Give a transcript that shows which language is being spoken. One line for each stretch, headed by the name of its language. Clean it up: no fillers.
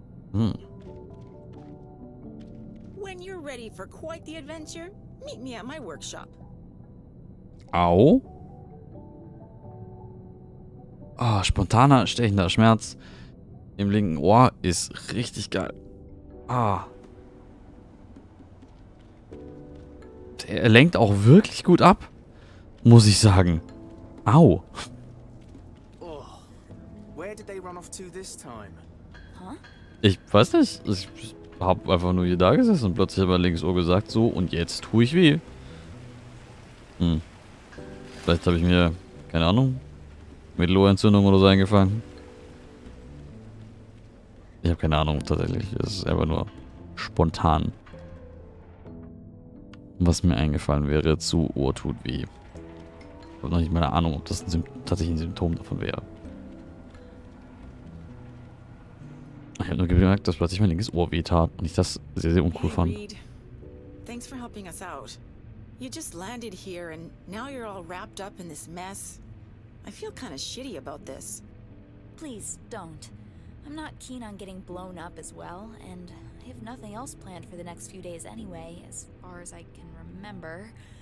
English: When you're ready for quite the adventure, meet me at my workshop.
German: Spontaner stechender Schmerz im linken Ohr ist richtig geil. Der lenkt auch wirklich gut ab, muss ich sagen.
English: Where did they run off to this time?
German: Ich weiß nicht. Ich hab einfach nur hier da gesessen und plötzlich habe ich links Ohr gesagt, so und jetzt tue ich weh. Vielleicht habe ich mir, keine Ahnung, Mittelohrentzündung oder so eingefangen. Ich habe keine Ahnung, tatsächlich. Es ist einfach nur spontan. Was mir eingefallen wäre, zu Ohr tut weh. Ich habe noch nicht mal eine Ahnung, ob das tatsächlich ein Symptom davon wäre. Ich habe nur gemerkt, dass plötzlich mein linkes Ohr weh tat und ich das sehr, sehr uncool fand.
English: Reed. Thanks for helping us out. You just landed here and now you're all wrapped up in this mess. I feel kind of shitty about this. Please don't. I'm not keen on getting blown up as well, and I have nothing else planned for the next few days anyway, as far as I can remember.